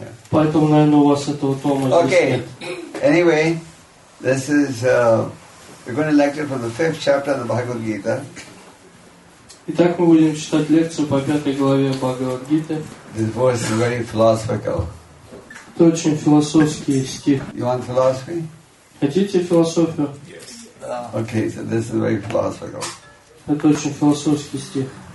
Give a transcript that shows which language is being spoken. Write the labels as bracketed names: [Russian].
[Russian] Поэтому, наверное, у вас этого тома здесь okay. нет. [English] Anyway, this is, we're going to lecture from the fifth chapter of the Bhagavad Gita. [Russian] Итак, мы будем читать лекцию по пятой главе Бхагавад Гиты. [English] This verse is very philosophical. [Russian] Это очень философский стих. [English] You want philosophy? [Russian] Хотите философию? [English] Yes. Okay, so this is very philosophical. [Russian] Это очень философский стих.